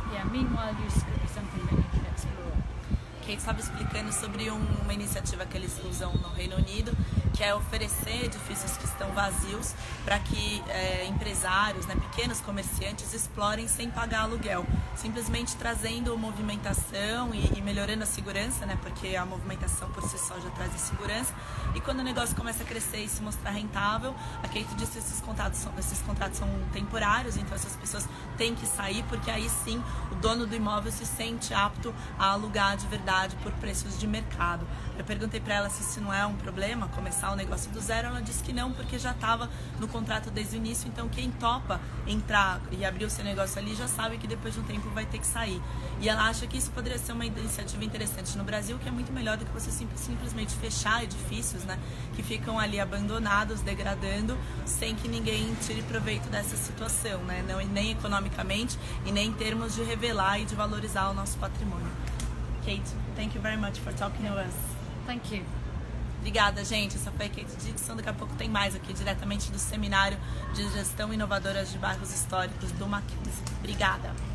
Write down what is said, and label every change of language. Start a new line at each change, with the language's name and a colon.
English: Meanwhile, you could be something that you can explore.
Portuguese: Kate estava explicando sobre uma iniciativa que eles usam no Reino Unido, que é oferecer edifícios que estão vazios para que empresários, né, pequenos comerciantes, explorem sem pagar aluguel. Simplesmente trazendo movimentação e melhorando a segurança, né, porque a movimentação por si só já traz a segurança. E quando o negócio começa a crescer e se mostrar rentável, a Kate disse que esses contratos são temporários, então essas pessoas têm que sair, porque aí sim o dono do imóvel se sente apto a alugar de verdade por preços de mercado. Eu perguntei para ela se isso não é um problema, como começar o negócio do zero, ela disse que não, porque já estava no contrato desde o início, então quem topa entrar e abrir o seu negócio ali já sabe que depois de um tempo vai ter que sair. E ela acha que isso poderia ser uma iniciativa interessante no Brasil, que é muito melhor do que você simplesmente fechar edifícios, né, que ficam ali abandonados, degradando, sem que ninguém tire proveito dessa situação, né, não, nem economicamente e nem em termos de revelar e de valorizar o nosso patrimônio.
English: Kate, thank you very much for talking to us. Thank you.
Portuguese: Obrigada, gente. Essa foi a Kate Dixon. Daqui a pouco tem mais aqui, diretamente do Seminário de Gestão Inovadora de Bairros Históricos do Mackenzie. Obrigada.